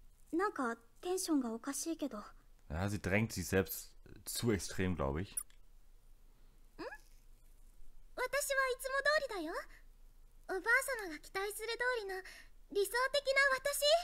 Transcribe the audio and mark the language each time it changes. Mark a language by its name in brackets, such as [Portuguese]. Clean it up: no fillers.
[Japanese] なんかテンションがおかしいけど。 [German] Ja, sie drängt sich selbst zu extrem, glaube ich. [Japanese] ん？私はいつも通りだよ。おばあ様が期待する通りの理想的な私。